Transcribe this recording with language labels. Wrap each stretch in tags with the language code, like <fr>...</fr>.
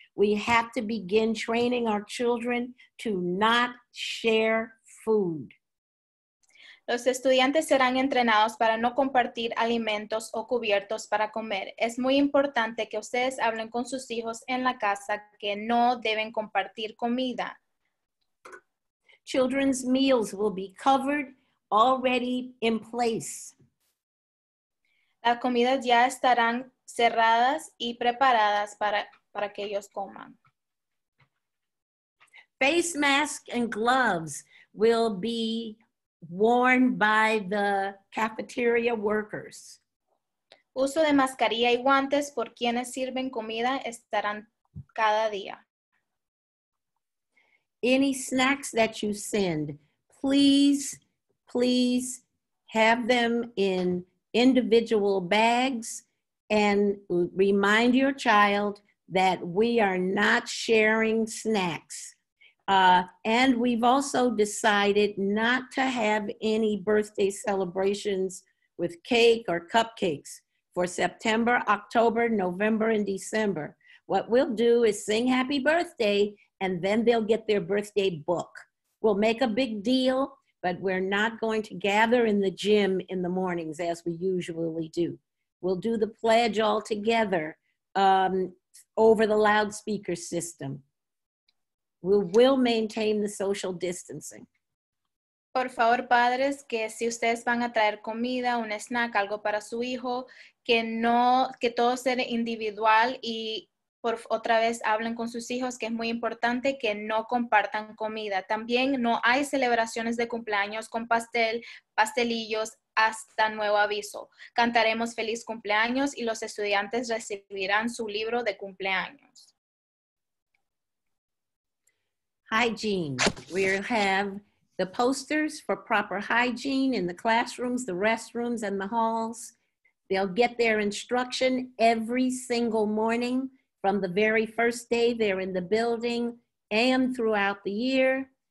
<en>We have to begin training our children to not share food.</en> <es>Los estudiantes serán entrenados para no compartir alimentos o cubiertos para comer. Es muy importante que ustedes hablen con sus hijos en la casa que no deben compartir comida.</es> <en>Children's meals will be covered already in place.</en> <es>Las comidas ya estarán cerradas y preparadas para que ellos coman.</es> <en>Face masks and gloves will be worn by the cafeteria workers.</en> <es>Uso de mascarilla y guantes por quienes sirven comida estarán cada día.</es> <en>Any snacks that you send, please, please have them in individual bags and remind your child that we are not sharing snacks. And we've also decided not to have any birthday celebrations with cake or cupcakes for September, October, November, and December. What we'll do is sing happy birthday, and then they'll get their birthday book. We'll make a big deal, but we're not going to gather in the gym in the mornings as we usually do. We'll do the pledge all together over the loudspeaker system. We will maintain the social distancing.</en> <es>Por favor, padres, que si ustedes van a traer comida, un snack, algo para su hijo, que todo sea individual y por otra vez hablen con sus hijos, que es muy importante que no compartan comida. También no hay celebraciones de cumpleaños con pastel, pastelillos, hasta nuevo aviso. Cantaremos feliz cumpleaños y los estudiantes recibirán su libro de cumpleaños.</es> <en>Hygiene. We have the posters for proper hygiene in the classrooms, the restrooms, and the halls. They'll get their instruction every single morning from the very first day they're in the building and throughout the year.</en>